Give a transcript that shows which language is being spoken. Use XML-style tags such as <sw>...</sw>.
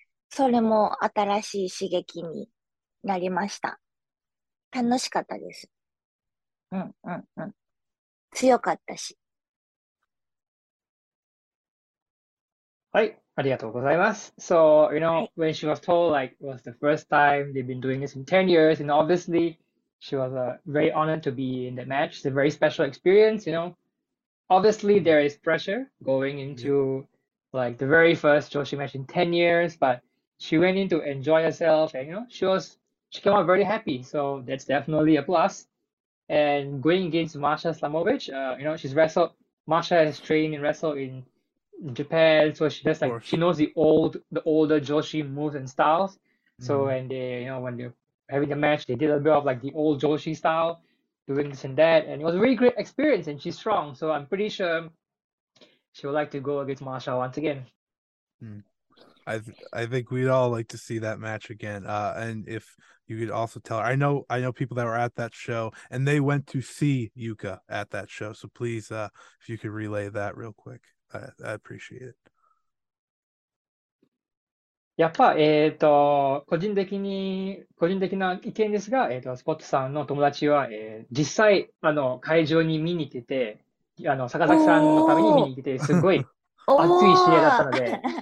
<ja>それも新しい刺激になりました。楽しかったです。強かったし。はい、ありがとうございます。</ja> <en>So, you know,、はい、when she was told, like, it was the first time they've been doing this in 10 years, and obviously, she was、very honored to be in the match. It's a very special experience, you know. Obviously, there is pressure going into,、yeah. like, the very first Joshi match in 10 years, butShe went in to enjoy herself and, you know, she came out very happy. So that's definitely a plus. And going against Masha Slamovich, you know, she's wrestled, Masha has trained and wrestled in Japan. So she just like, she knows the older Joshi moves and styles. So、mm-hmm. when they, you know, when they're having a match, they did a bit of like the old Joshi style, doing this and that. And it was a really great experience and she's strong. So I'm pretty sure she would like to go against Masha once again.、 Mm-hmm. I think we'd all like to see that match again. And if you could also tell her, I know people that were at that show and they went to see Yuka at that show. So please, if you could relay that real quick, I appreciate it.</en> <ja>やっぱ個人的な意見ですが、スポットさんの友達は、実際会場に見に来て、坂崎さんのために見に来て、すごい熱い試合だったので。</ja>